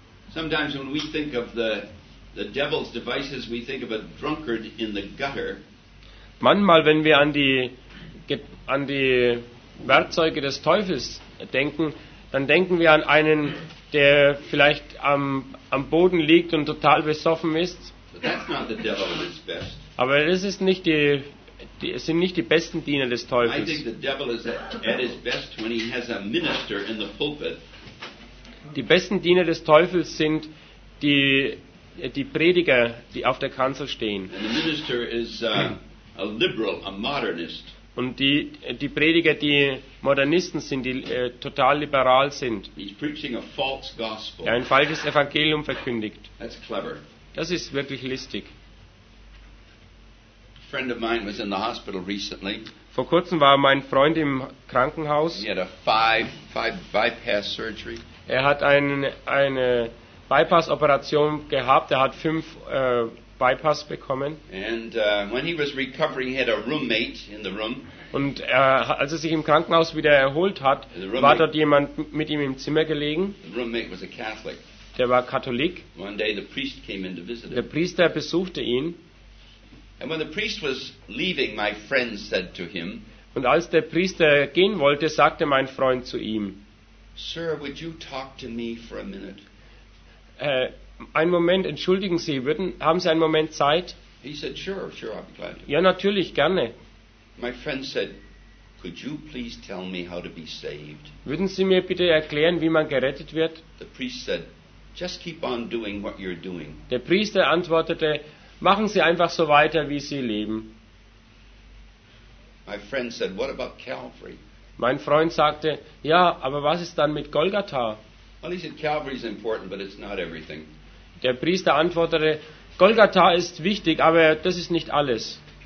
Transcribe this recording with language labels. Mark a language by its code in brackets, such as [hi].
[en] Sometimes when we think of the devil's devices, we think of a drunkard in the gutter. [de] Manchmal, wenn wir an die Werkzeuge des Teufels denken, dann denken wir an einen, der vielleicht am Boden liegt und total besoffen ist. [en] But that's not the devil at his best. [de] Aber das ist nicht es sind nicht die besten Diener des Teufels. [en] I think the devil is at his best when he has a minister in the pulpit. [de] Die besten Diener des Teufels sind die Prediger, die auf der Kanzel stehen. [en] And the minister is a liberal, a modernist. [de] Und die Prediger, die Modernisten sind, die total liberal sind. [en] He's preaching a false gospel. [de] Ein falsches Evangelium verkündigt. [en] That's clever. [de] Das ist wirklich listig. [en] A friend of mine was in the hospital recently. [de] Vor kurzem war mein Freund im Krankenhaus. [en] He had a five bypass surgery. [de] Er hat eine Bypass-Operation gehabt. Er hat 5 Bypass bekommen. [en] And when he was recovering, he had a roommate in the room. [de] Und als er sich im Krankenhaus wieder erholt hat, war dort jemand mit ihm im Zimmer gelegen. [en] The roommate was a Catholic. [de] Der war Katholik. [en] One day the priest came in to visit him. [de] Der Priester besuchte ihn. [en] And when the priest was leaving, my friend said to him. [de] Und als der Priester gehen wollte, sagte mein Freund zu ihm. [en] Sir, would you talk to me for a minute? [de] Einen Moment, entschuldigen Sie, haben Sie einen Moment Zeit? [en] He said, sure, I'll be glad to. [de] Ja, natürlich, gerne. [en] My friend said, could you please tell me how to be saved? [de] Würden Sie mir bitte erklären, wie man gerettet wird? [en] The priest said, Just keep on doing what you're doing. [de] Der Priester antwortete: Machen Sie einfach so weiter, wie Sie leben. [en] My friend said, what about Calvary? [de] Mein Freund sagte: Ja, aber was ist dann mit Golgatha? [en] Well, he said, Calvary is important, but it's not everything. [de] Der Priester antwortete: Golgatha ist wichtig, aber das ist nicht alles.